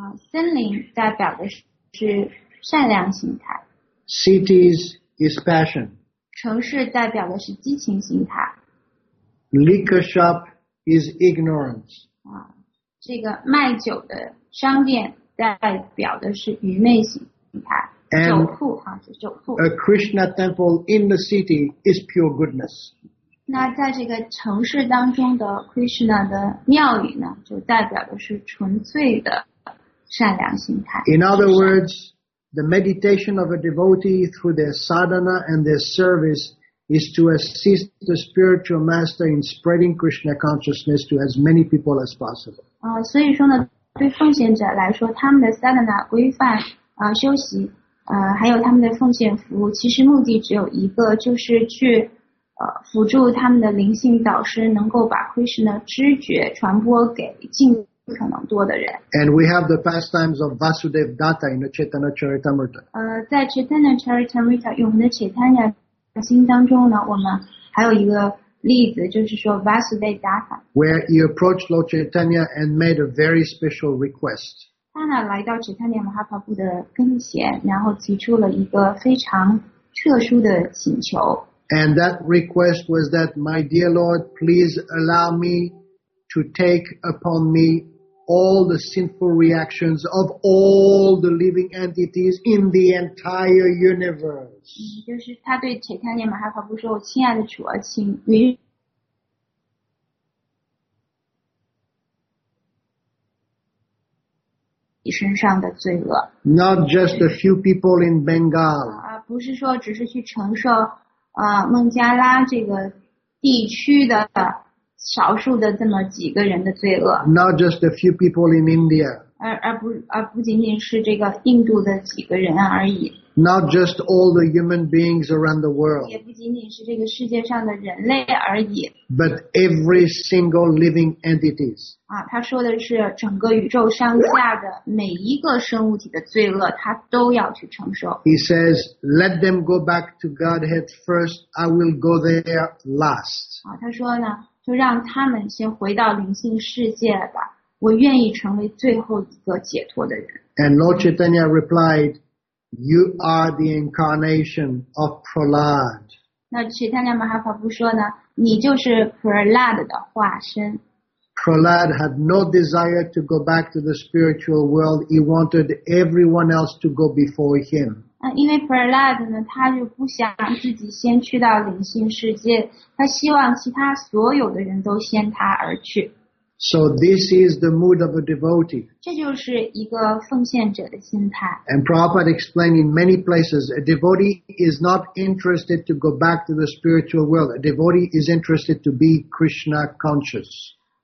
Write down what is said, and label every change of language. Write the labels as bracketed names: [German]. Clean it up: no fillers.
[Chinese] 森林代表的是善良心态。 [English] Cities is passion。 [Chinese] 城市代表的是激情心态。 [English] Liquor shop is ignorance. [Chinese] 这个卖酒的商店代表的是愚昧心态。 [English] And [Chinese] 酒库是酒库。 [English] A Krishna temple in the city is pure goodness. [Chinese] 那在这个城市当中的 Krishna 的庙宇呢，就代表的是纯粹的善良心态。 [English] In other words,The meditation of a devotee through their sadhana and their service is to assist the spiritual master in spreading Krishna consciousness to as many people as possible. [Chinese] 所以说呢，对奉献者来说，他们的 sadhana 规范，修习，还有他们的奉献服务，其实目的只有一个，就是去辅助他们的灵性导师能够把 Krishna 知觉传播给尽可能多的人。 [English] And we have the pastimes of Vasudev Datta in the Chaitanya Charitamrita. [Chinese] 在 Chaitanya Charitamrita 我们的 Chaitanya 经当中呢，我们还有一个例子，就是说 Vasudev Datta, [English] where he approached Lord Chaitanya and made a very special request. [Chinese] 他呢来到 Chaitanya Mahaprabhu 的跟前，然后提出了一个非常特殊的请求。 [English] And that request was that, my dear Lord, please allow me to take upon me all the sinful reactions of all the living entities in the entire universe. [Chinese] 就是他对铁坦尼马哈法布说，我亲爱的主啊，请允许。身上的罪恶。 [English] Not just a few people in Bengal. [Chinese] 不是说只是去承受。孟加拉这个地区的少数的这么几个人的罪恶。 [English] Not just a few people in India. [Chinese] 而不仅仅是这个印度的几个人而已。 [English] Not just all the human beings around the world. [Chinese] 也不仅仅是这个世界上的人类而已。 [English] But every single living entities. [Chinese] 他说的是整个宇宙上下的每一个生物体的罪恶，他都要去承受。 [English] He says, let them go back to Godhead first, I will go there last. [Chinese] 他说呢，就让他们先回到灵性世界吧，我愿意成为最后一个解脱的人。 [English] And Lord Chaitanya replied,You are the incarnation of Prahlad. [Chinese] 那 Chaitanya Mahaprabhu 说呢，你就是 Prahlad 的化身。 [English] Prahlad had no desire to go back to the spiritual world. He wanted everyone else to go before him. [Chinese] 因为 Prahlad 呢，他就不想自己先去到灵性世界，他希望其他所有的人都先他而去。 [English] So this is the mood of a devotee. [Chinese] 这就是一个奉献者的心态。 [English] And Prabhupada explained in many places, a devotee is not interested to go back to the spiritual world. A devotee is interested to be Krishna conscious.